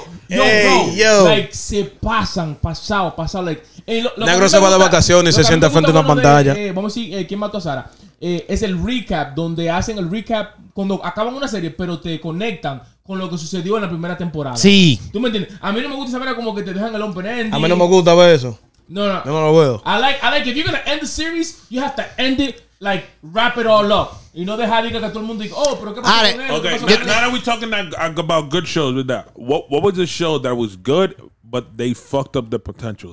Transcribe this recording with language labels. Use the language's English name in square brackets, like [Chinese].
[Spanish] Yo. Like, se pasan pasado. Like, Negro se va de vacaciones y se sienta frente a una pantalla. Vamos a decir, ¿quién mató a Sara? Es el recap, donde hacen el recap cuando acaban una serie, pero te conectan con lo que sucedió en la primera temporada. Sí. ¿Tú me entiendes? A mí no me gusta saber como que te dejan el open ending. A mí no me gusta ver eso. No. Yo no lo puedo. [English] I like, if you're gonna end the series, you have to end it, like, wrap it all up. [Spanish] Y no dejar de que todo el mundo diga, oh, pero ¿qué pasa con eso? [English] Okay, now that we're talking about good shows with that, what was the show that was good, but they fucked up the potential?